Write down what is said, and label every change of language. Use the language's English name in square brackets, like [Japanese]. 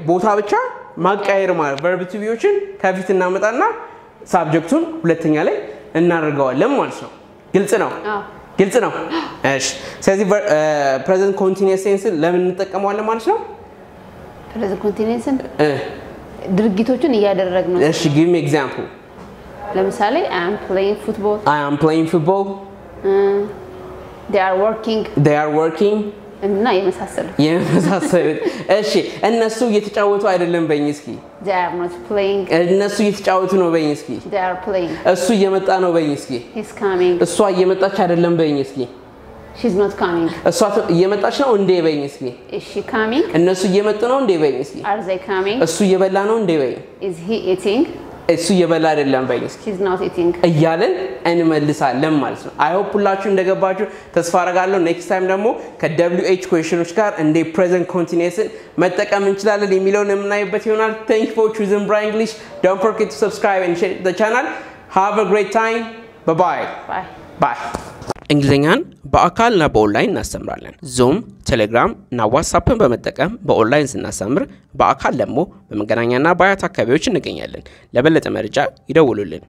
[Amharic] ቦታ ብቻ ማቀያየር ማለት verb to be-ዎችን ከፊት እናመጣና ሳብጀክቱን ሁለተኛ ላይ እናደርጋለን ማለት ነው። ግልጽ ነው? አዎ ግልጽ ነው። እሺ ስለዚህ ፕሬዘንት ኮንቲኒዩስ ቴንስ ለምን እንጠቀማለን ማለት ነው? ፕሬዘንት ኮንቲኒዩስ ድርጊቶችን እያደረግነው። [English] እሺ give me example [Amharic] ለምሳሌ [English] I am playing football they are working [Amharic] እና የመሳሰሉት እሺ እነሱ እየተጫወቱ አይደለም በእኝ እስኪ [English] they are not playing [Amharic] እነሱ እየተጫወቱ ነው በእኝ እስኪ [English] they are playing [Amharic] እሱ እየመጣ ነው በእኝ እስኪ [English] he's coming [Amharic] እሷ እየመጣች አይደለም በእኝ እስኪ [English] she's not coming [Amharic] እሷ እየመጣች ነው እንዴ በእኝ እስኪ [English] is she coming [Amharic] እነሱ እየመጡ ነው እንዴ በእኝ እስኪ [English] are they coming [Amharic] እሱ እየበላ ነው እንዴ በእኝ [English] is he eating [Amharic] እሱ እየበላ አይደለም በእኝ እስኪ [English] he's not eating [Amharic] እያለን እንመልሳለን ማለት ነው። አይ ሆፕ ሁላችሁ እንደገባችሁ ተስፋ አደርጋለሁ። ኔክስት ታይም ደግሞ ከWH questions ጋር እንደ present continuous መጠቀም እንችላለን የሚለውን እናይበት ይሆናል። [English] Thank you for choosing Bright English. Don't forget to subscribe and share the channel. Have a great time. Bye-bye. Bye. [Amharic] እንግሊዘኛን በአካልና በኦንላይን እናስተምራለን። ዙም፣ ቴሌግራም እና ዋትስአፕን በመጠቀም በኦንላይን ስናስተምር በአካል ደግሞ በመገናኛና በአያት አካባቢዎች እንገኛለን። ለበለጠ መረጃ ይደውሉልን።